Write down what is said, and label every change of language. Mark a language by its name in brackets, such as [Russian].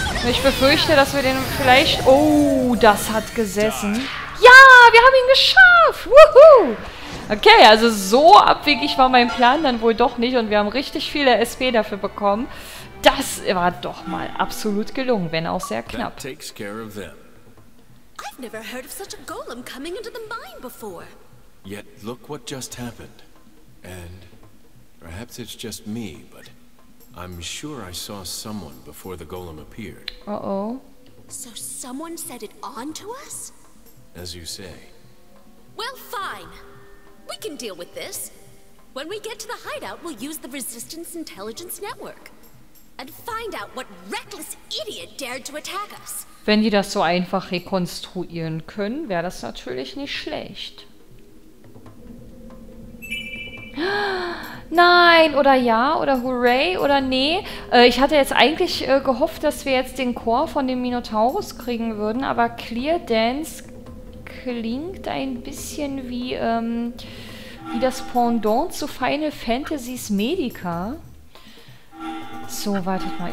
[German] Ich befürchte, dass wir den vielleicht... Oh, das hat gesessen. Ja, wir haben ihn geschafft! Woohoo! Okay, also so abwegig war mein Plan dann wohl doch nicht und wir haben richtig viele SP dafür bekommen. Das war doch mal absolut gelungen, wenn auch sehr knapp. [English] That takes care of them. I've never heard of such a golem coming into the mine before. Yet look what just happened. And perhaps it's just me, but I'm sure I saw someone before the golem appeared. Uh-oh. So someone set it on to us? As you say. Well, fine. We can deal with this. When we get to the hideout, we'll use the Resistance Intelligence Network and find out what reckless idiot dared to attack us. [German] Wenn die das so einfach rekonstruieren können, wäre das natürlich nicht schlecht. Nein, oder ja, oder hooray, oder nee. Ich hatte jetzt eigentlich gehofft, dass wir jetzt den Chor von dem Minotaurus kriegen würden, aber Clear Dance klingt ein bisschen wie, wie das Pendant zu Final Fantasies Medica. So, wartet mal.